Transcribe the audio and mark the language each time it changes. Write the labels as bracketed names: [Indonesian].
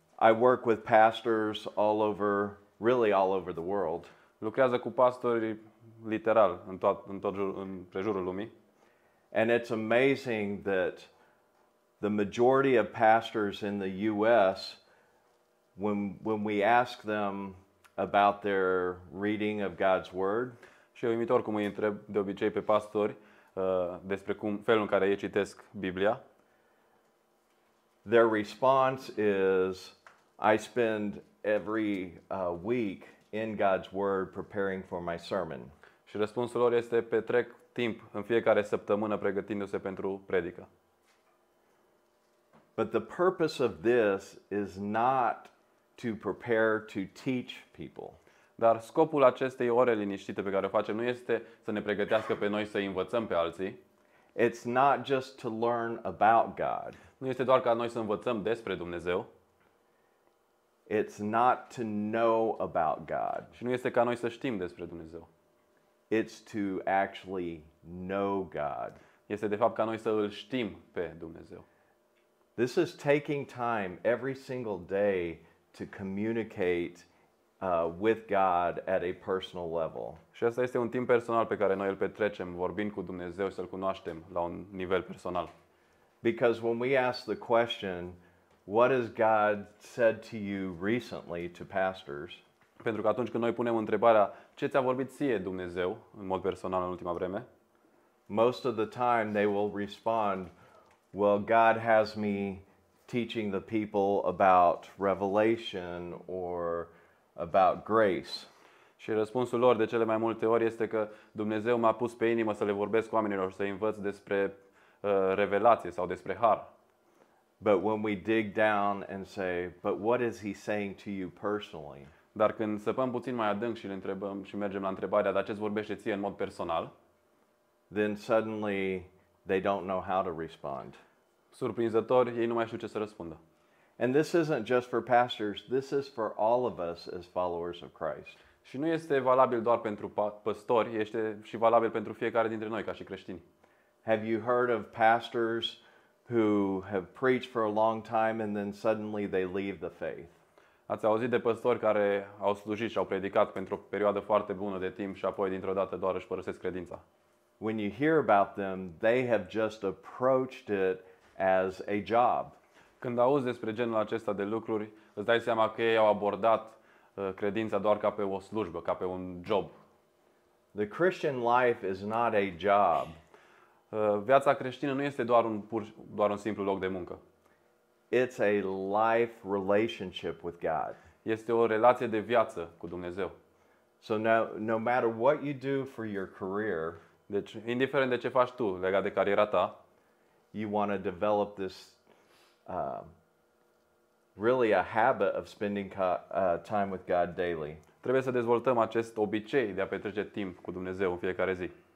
[English] I work with pastors all over, really all over the world. [Romanian] Lucrează cu pastori literal în prejurul lumii. [English] And it's amazing that the majority of pastors in the US, when we ask them about their reading of God's word, [Romanian] și e uimitor cum îi întreb de obicei pe pastori despre cum felul în care ei citesc Biblia. [English] Their response is, I spend every week in God's word preparing for my sermon. [Romanian] Și răspunsul lor este, petrec timp în fiecare săptămână pregătindu-se pentru predică. [English] But the purpose of this is not to prepare to teach people. [Romanian] Dar scopul acestei ore liniștite pe care o facem nu este să ne pregătească pe noi să învățăm pe alții. [English] It's not just to learn about God. [Romanian] Nu este doar ca noi să învățăm despre Dumnezeu. [English] It's not to know about God. [Romanian] Și nu este ca noi să știm despre Dumnezeu. [English] It's to actually know God. [Romanian] Este de fapt ca noi să îl știm pe Dumnezeu. [English] This is taking time every single day to communicate with God at a personal level. [Romanian] Și asta este un timp personal pe care noi îl petrecem vorbind cu Dumnezeu, să-l cunoaștem la un nivel personal. [English] Because when we ask the question, what has God said to you recently to pastors? [Romanian] Pentru că atunci când noi punem întrebarea, ce ți-a vorbit ție Dumnezeu în mod personal în ultima vreme? [English] Most of the time they will respond, well, God has me teaching the people about revelation or about grace. [Romanian] Și răspunsul lor de cele mai multe ori este că Dumnezeu m-a pus pe inimă să le vorbesc oamenilor și să-i învăț despre revelație sau despre har. [English] But when we dig down and say, but what is he saying to you personally? [Romanian] Dar când săpăm puțin mai adânc și le întrebăm și mergem la întrebarea, dar ce îți vorbește ție în mod personal? [English] Then suddenly they don't know how to respond. [Romanian] Surprinzător, ei nu mai știu ce să răspundă. [English] And this isn't just for pastors, this is for all of us as followers of Christ. [Romanian] Și nu este valabil doar pentru păstori, este și valabil pentru fiecare dintre noi ca și creștini. [English] Have you heard of pastors who have preached for a long time and then suddenly they leave the faith? [Romanian] Ați auzit de păstori care au slujit și au predicat pentru o perioadă foarte bună de timp și apoi dintr-o dată doar își părăsesc credința? [English] When you hear about them, they have just approached it as a job. [Romanian] Când auzi despre genul acesta de lucruri, îți dai seama că ei au abordat credința doar ca pe o slujbă, ca pe un job. [English] The Christian life is not a job. [Romanian] Viața creștină nu este doar un simplu loc de muncă. [English] It's a life relationship with God. [Romanian] Este o relație de viață cu Dumnezeu. [English] So now, no matter what you do for your career, [Romanian] deci indiferent de ce faci tu legat de cariera ta, [English] you want to develop this really a habit of spending time with God daily. [Romanian] Trebuie să dezvoltăm acest obicei de a petrece timp cu Dumnezeu în fiecare zi.